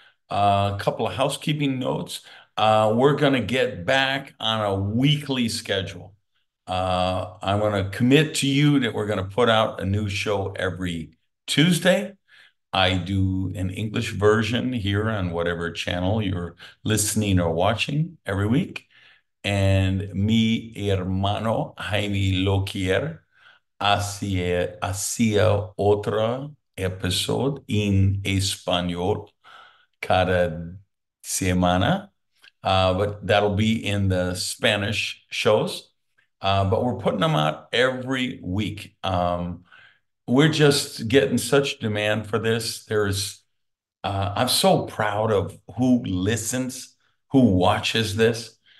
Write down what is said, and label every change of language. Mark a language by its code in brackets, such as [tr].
[en] A couple of housekeeping notes. We're going to get back on a weekly schedule. I want to commit to you that we're going to put out a new show every Tuesday. I do an English version here on whatever channel you're listening or watching every week. [es] And mi hermano Jaime Loquier hacía otro episodio en español cada semana. [en] But that'll be in the Spanish shows. But we're putting them out every week. We're just getting such demand for this. I'm so proud of who listens, who watches this.